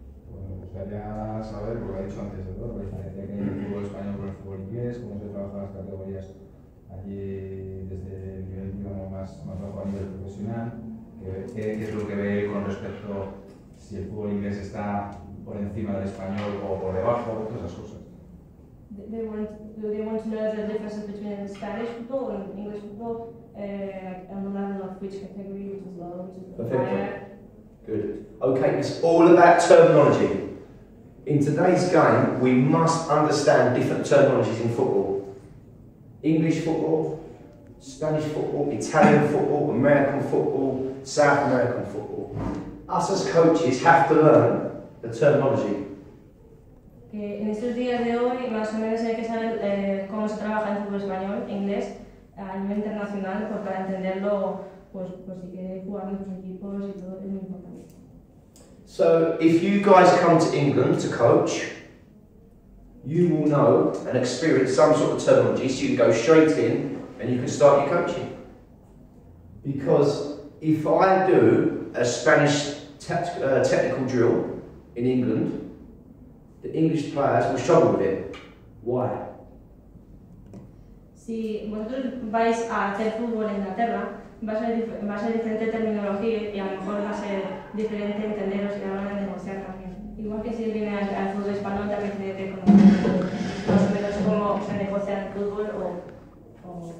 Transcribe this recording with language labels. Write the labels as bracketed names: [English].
[Spanish] Bueno, me gustaría saber, porque lo he dicho antes de todo, la diferencia que hay en el fútbol español con el fútbol inglés, cómo se trabajan las categorías allí desde el nivel más bajo a nivel profesional, qué es lo que ve con respecto si el fútbol inglés está por encima del español o por debajo, todas esas cosas. [English] Do they want to know the difference between Spanish football and English football, and the level of which category, which is low, which is higher? Good. Okay, it's all about terminology. In today's game, we must understand different terminologies in football. English football, Spanish football, Italian football, American football, South American football. Us as coaches have to learn the terminology. [Spanish] Que en estos días de hoy, más o menos hay que saber cómo se trabaja en fútbol español, inglés, a nivel internacional, pues para entenderlo, pues si quiere jugar en otros equipos y todo, es muy importante. [English] So, if you guys come to England to coach, you will know and experience some sort of terminology, so you can go straight in and you can start your coaching. Because if I do a Spanish technical drill in England, the English players will struggle with it. Why? [Spanish] Si vosotros vais a hacer fútbol en Inglaterra, va a ser diferente terminología y a lo mejor va a ser diferente entenderos y a la hora de negociar también. Igual que si viene al fútbol español, también tiene que conocer más o menos cómo se negocia el fútbol o...